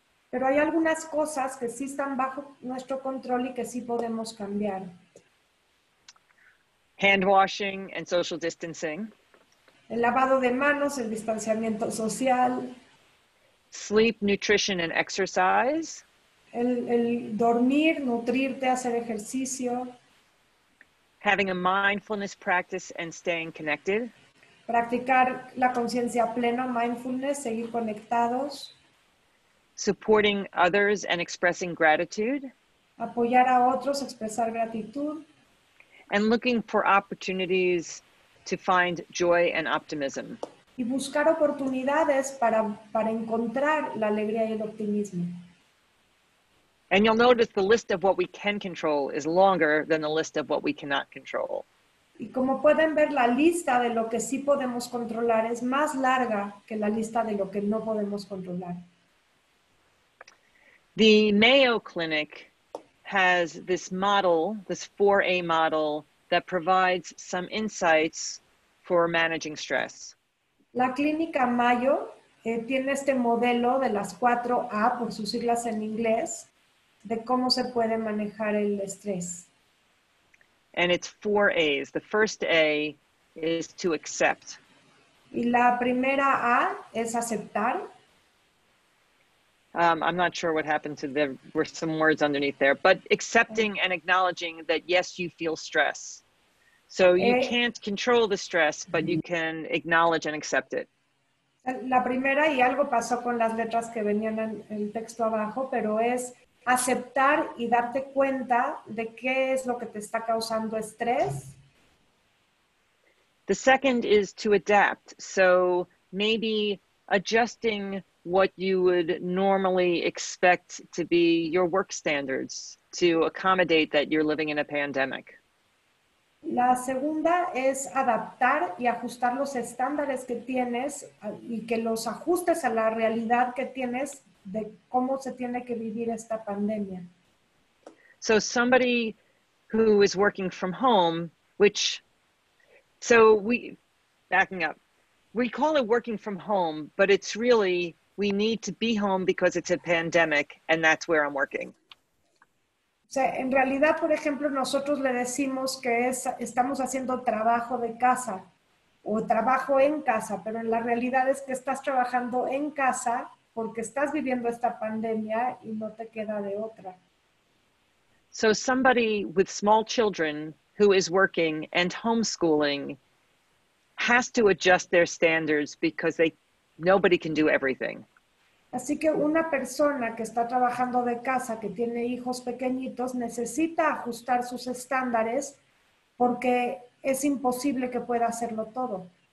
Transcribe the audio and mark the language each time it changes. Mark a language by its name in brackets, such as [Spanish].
[Spanish] Pero hay algunas cosas que sí están bajo nuestro control y que sí podemos cambiar. [English] Hand washing and social distancing. [Spanish] El lavado de manos, el distanciamiento social. [English] Sleep, nutrition and exercise. [Spanish] El dormir, nutrirte, hacer ejercicio. [English] Having a mindfulness practice and staying connected. [Spanish] Practicar la conciencia plena, mindfulness, seguir conectados. [English] Supporting others and expressing gratitude. [Spanish] Apoyar a otros, expresar gratitud. [English] And looking for opportunities to find joy and optimism. [Spanish] Y buscar oportunidades para encontrar la alegría y el optimismo. [English] And you'll notice the list of what we can control is longer than the list of what we cannot control. [Spanish] Y como pueden ver, la lista de lo que sí podemos controlar es más larga que la lista de lo que no podemos controlar. [English] The Mayo Clinic has this model, this 4A model, that provides some insights for managing stress. [Spanish] La clínica Mayo tiene este modelo de las 4A, por sus siglas en inglés, de cómo se puede manejar el estrés. [English] And it's 4 A's. The first A is to accept. [Spanish] Y la primera A es aceptar. [English] I'm not sure what happened to the, were some words underneath there, but accepting and acknowledging that, yes, you feel stress. So you can't control the stress, but you can acknowledge and accept it. [Spanish] La primera, y algo pasó con las letras que venían en el texto abajo, pero es aceptar y darte cuenta de qué es lo que te está causando estrés. [English] The second is to adapt. So maybe adjusting what you would normally expect to be your work standards to accommodate that you're living in a pandemic. [Spanish] La segunda es adaptar y ajustar los estándares que tienes y que los ajustes a la realidad que tienes de cómo se tiene que vivir esta pandemia. [English] So somebody who is working from home, which, so we, backing up, we call it working from home, but it's really, we need to be home because it's a pandemic and that's where I'm working. [Spanish] O sea, en realidad, por ejemplo, nosotros le decimos que estamos haciendo trabajo de casa o trabajo en casa, pero la realidad es que estás trabajando en casa porque estás viviendo esta pandemia y no te queda de otra. [English] So somebody with small children who is working and homeschooling has to adjust their standards because nobody can do everything. [Spanish] Así que una persona que está trabajando de casa, que tiene hijos pequeñitos, necesita ajustar sus estándares porque es imposible que pueda hacerlo todo.